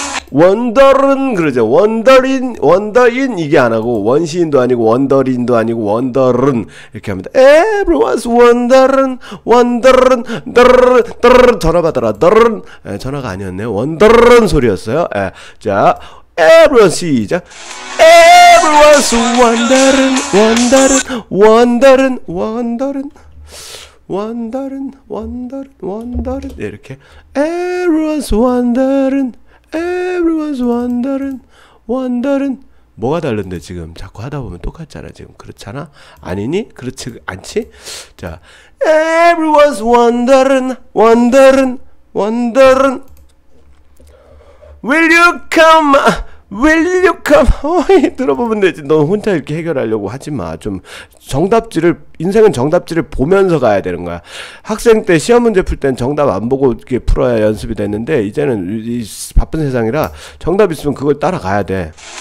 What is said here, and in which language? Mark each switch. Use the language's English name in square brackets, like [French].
[Korean] 원더른 그러죠. 원더린, 원더인 이게 안 하고 원시인도 아니고 원더린도 아니고 원더른 이렇게 합니다. [English] Everyone's wondering, wondering, [Korean] 더른, 더른 전화 받더라. 더른 전화가 아니었네요. 원더른 소리였어요. 에, 자, Everyone 시작. [English] Everyone's wondering, wondering, wondering, wondering. [Korean] 원더른 원더른 원더른 이렇게 [English] Everyone's wondering Everyone's wondering wondering [Korean] 뭐가 다른데 지금 자꾸 하다보면 똑같잖아 지금 그렇잖아? 아니니? 그렇지 않지? [English] 자 Everyone's wondering wondering wondering Will you come? Will you come? [Korean] 들어보면 되지. 넌 혼자 이렇게 해결하려고 하지 마. 좀 정답지를 인생은 정답지를 보면서 가야 되는 거야. 학생 때 시험 문제 풀 땐 정답 안 보고 이렇게 풀어야 연습이 됐는데 이제는 이 바쁜 세상이라 정답 있으면 그걸 따라가야 돼.